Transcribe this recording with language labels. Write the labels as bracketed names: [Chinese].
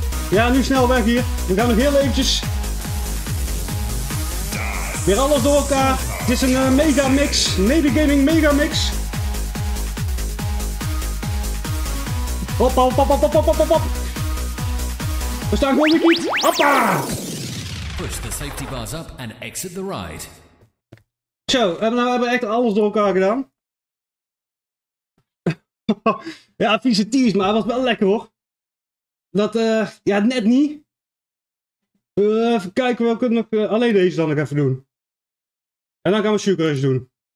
[Dutch] Ja, nu snel weg hier. We gaan nog heel eventjes. Weer alles door elkaar. Het is een megamix. Mega gaming megamix. Hop, hop, hop, hop, hop, hop, hop, hop. We staan gewoon weer niet. Hoppa! [English] Push the safety bars up and exit the ride. [Dutch] Zo, nou, we hebben echt alles door elkaar gedaan. Ja, vieze tease, maar het was wel lekker, hoor. Dat, ja, net niet. Even kijken, we kunnen nog alleen deze dan nog even doen. En dan gaan we Sugar Rush doen.